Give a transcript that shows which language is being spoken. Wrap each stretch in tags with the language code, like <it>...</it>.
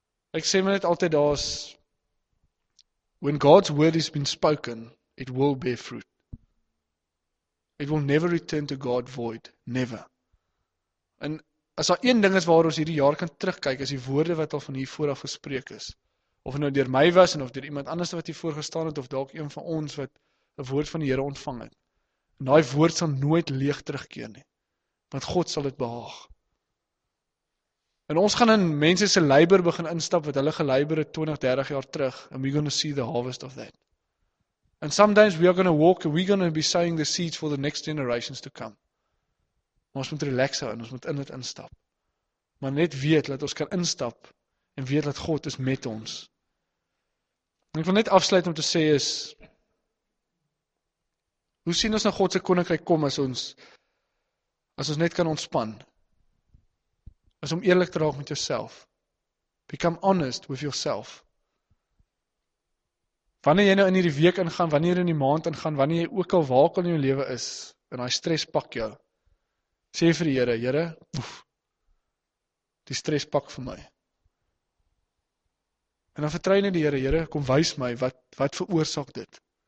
<af>Ek sê my net altyd daar's</af> <en>when God's word has been spoken, it will bear fruit. It will never return to God void, never.</en> <af>En as daar een ding is waar ons hierdie jaar kan terugkyk, is die woorde wat al van hier vooraf gespreek is. Of nou deur my was en of deur iemand anders wat hier voor gestaan het of dalk een van ons wat 'n woord van die Here ontvang het. En daai woord sal nooit leeg terugkeer nie. Want God sal dit behaag. En ons gaan in mense se labor begin instap wat hulle gelabor het 20, 30 jaar terug.</af> <en>And we're going to see the harvest of that. And sometimes we are going to walk and we're going to be sowing the seeds for the next generations to come.</en> <af>Maar ons moet relax hou en ons moet in dit instap. Maar net weet dat ons kan instap en weet dat God is met ons. En ek wil net afsluit om te sê is, hoe sien ons na God se koninkryk kom as ons net kan ontspan? Is om eerlik te raak met jouself.</af> <en>Become honest with yourself.</en> <af>Wanneer jy nou in hierdie week ingaan, wanneer jy in die maand ingaan, wanneer jy ook al waak in jou lewe is, en daai stres pak jou, sê vir die Here, Here, die stres pak vir my. En dan vertrou net die Here, Here, kom wys my wat veroorsaak dit.</af>